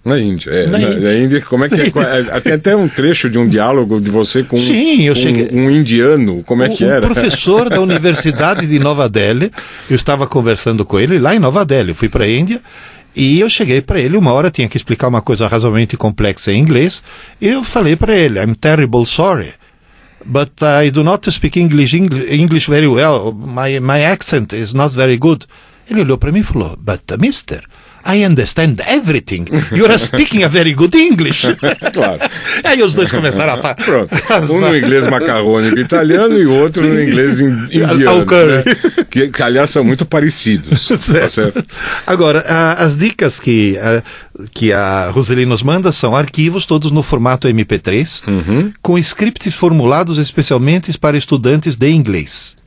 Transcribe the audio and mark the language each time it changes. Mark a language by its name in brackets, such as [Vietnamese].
[Portuguese] Na Índia. Como é que é? Tem até um trecho de um diálogo de você com um indiano. Como é que era? Um professor da Universidade de Nova Delhi. Eu estava conversando com ele lá em Nova Delhi. Eu fui para a Índia e eu cheguei para ele. Uma hora tinha que explicar uma coisa razoavelmente complexa em inglês. Eu falei para ele, [English] I'm terrible sorry, but I do not speak English very well. My accent is not very good. [Portuguese] Ele olhou para mim e falou, [English] but mister, I understand everything. You are speaking a very good English. [Portuguese] Claro. Aí os dois começaram a falar. Pronto. Um no inglês macarrônico italiano e outro no inglês indiano. Né? Que, aliás, são muito parecidos. Certo. Agora, as dicas que a Roseli nos manda são arquivos, todos no formato MP3, com scripts formulados especialmente para estudantes de inglês.